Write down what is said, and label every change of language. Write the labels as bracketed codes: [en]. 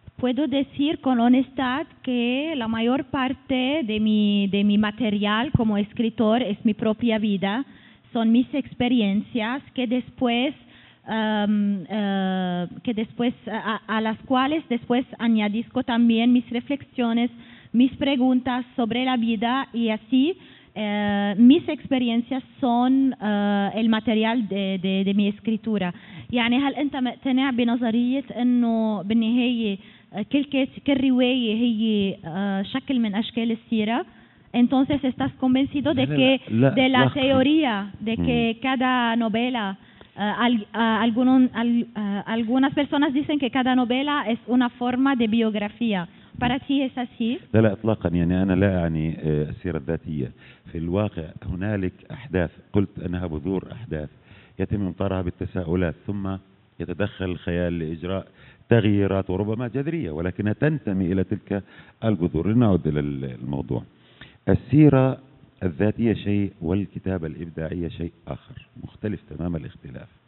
[es] Puedo decir con honestad que la mayor parte de mi material como escritor es mi propia vida, son mis experiencias que después a las cuales después añadisco también mis reflexiones, mis preguntas sobre la vida, y así mis experiencias son el material de mi escritura. [ar] يعني هل أنت مقتنع بنظرية إنه بالنهاية كل رواية هي شكل من أشكال السيرة؟ [es] Entonces estás convencido de que de la teoría de que cada novela algunas personas dicen que cada novela es una forma de biografía. ¿Para ti es así? [ar] لا لا اطلاقا يعني انا لا اعني السيره الذاتيه في الواقع هنالك احداث قلت انها بذور احداث يتم انطارها بالتساؤلات ثم يتدخل الخيال لاجراء تغييرات وربما جذريه ولكنها تنتمي الى تلك البذور لنعود الى الموضوع السيره الذاتية شيء والكتابة الإبداعية شيء آخر مختلف تمام الاختلاف